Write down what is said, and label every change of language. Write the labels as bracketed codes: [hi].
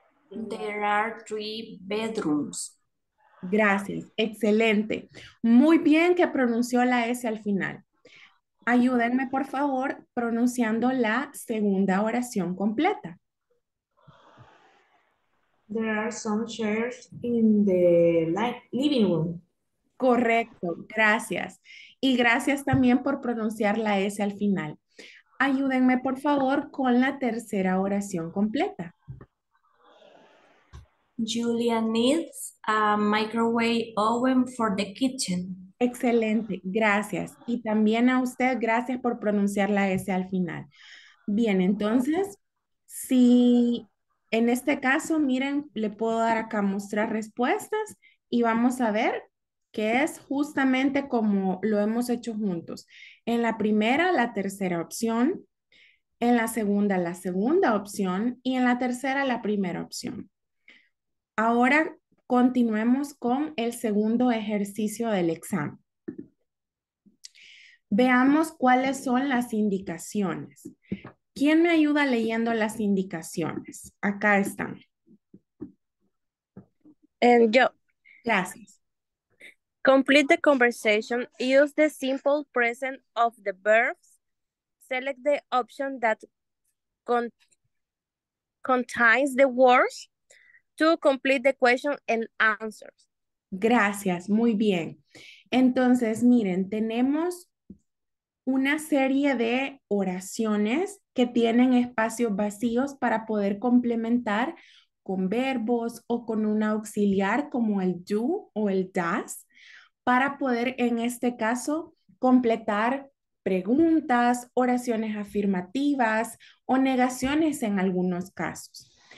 [en] There are three bedrooms. [es] Gracias. Excelente. Muy bien que pronunció la S al final. Ayúdenme, por favor, pronunciando la segunda oración completa. [en] There are some chairs in the living room. [es] Correcto, gracias. Y gracias también por pronunciar la S al final. Ayúdenme, por favor, con la tercera oración completa. [en] Julia needs a microwave oven for the kitchen. [es] Excelente, gracias. Y también a usted, gracias por pronunciar la S al final. Bien, entonces, si en este caso, miren, le puedo dar acá mostrar respuestas y vamos a ver que es justamente como lo hemos hecho juntos. En la primera, la tercera opción. En la segunda opción. Y en la tercera, la primera opción. Ahora, continuemos con el segundo ejercicio del examen. Veamos cuáles son las indicaciones. ¿Quién me ayuda leyendo las indicaciones? Acá están. Yo. Gracias. [en] Complete the conversation. Use the simple present of the verbs. Select the option that contains the words to complete the question and answers. [es] Gracias, muy bien. Entonces, miren, tenemos una serie de oraciones que tienen espacios vacíos para poder complementar con verbos o con un auxiliar como el do o el does, para poder, en este caso, completar preguntas, oraciones afirmativas o negaciones en algunos casos.